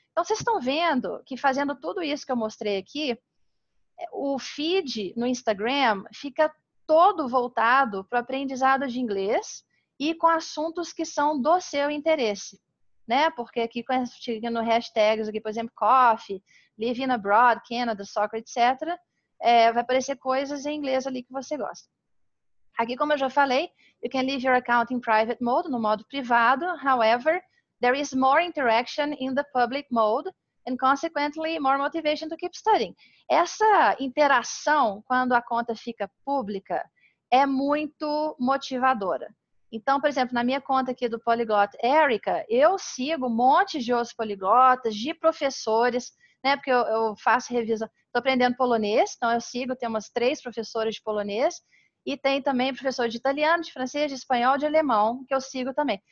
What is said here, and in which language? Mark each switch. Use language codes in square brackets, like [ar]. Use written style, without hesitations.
[pt] Então, vocês estão vendo que fazendo tudo isso que eu mostrei aqui, o feed no Instagram fica todo voltado para o aprendizado de inglês e com assuntos que são do seu interesse, né? Porque aqui, no hashtags aqui, por exemplo, coffee, living abroad, Canada, soccer, etc., vai aparecer coisas em inglês ali que você gosta. Aqui, como eu já falei, [en] you can leave your account in private mode, [pt] no modo privado. [en] However, there is more interaction in the public mode and consequently more motivation to keep studying. [pt] Essa interação, quando a conta fica pública, é muito motivadora. Então, por exemplo, na minha conta aqui do Polyglot Erica, eu sigo um monte de outros poliglotas, de professores, né, porque eu faço revisão, estou aprendendo polonês, então eu sigo, tem umas 3 professores de polonês, e tem também professor de italiano, de francês, de espanhol, de alemão, que eu sigo também.